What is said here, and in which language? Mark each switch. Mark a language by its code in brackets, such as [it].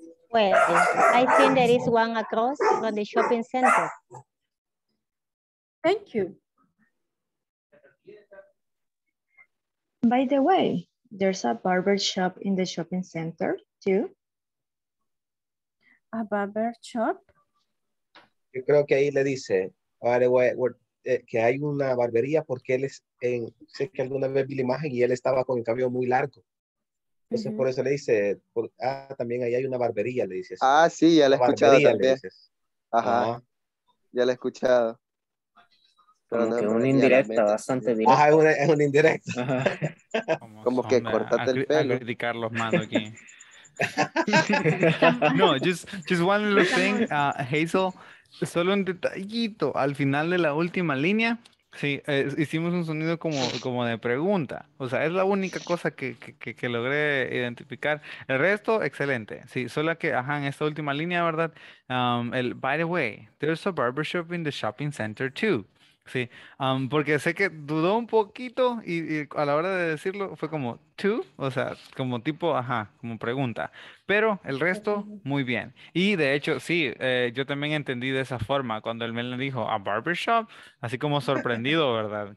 [en] Well, I think there is one across from the shopping center. Thank you. By the way, there's a barber shop in the shopping center, too. A barber shop? [es] Yo creo que ahí le dice, que hay una barbería porque él es en, sé que alguna vez vi la imagen y él estaba con el cabello muy largo. Entonces, mm-hmm. Por eso le dice, también ahí hay una barbería, le dice. Ah, sí, ya la he escuchado barbería, también. Ajá. Ya la he escuchado. Como no, que no, un indirecto, bastante directo. Ajá, es un indirecto. Como que cortate el pelo. A criticar los manos aquí. [en] No, just one little thing, Hazel, [es] solo un detallito. Al final de la última línea, sí, hicimos un sonido como de pregunta. O sea, es la única cosa que logré identificar. El resto, excelente. Sí, solo que, ajá, en esta última línea, ¿verdad? [en] By the way, there's a barbershop in the shopping center too. [es] Sí, porque sé que dudó un poquito y a la hora de decirlo fue como two, o sea, como tipo, ajá, como pregunta. Pero el resto, muy bien. Y de hecho, sí, yo también entendí de esa forma cuando él me dijo a barbershop, así como sorprendido, ¿verdad?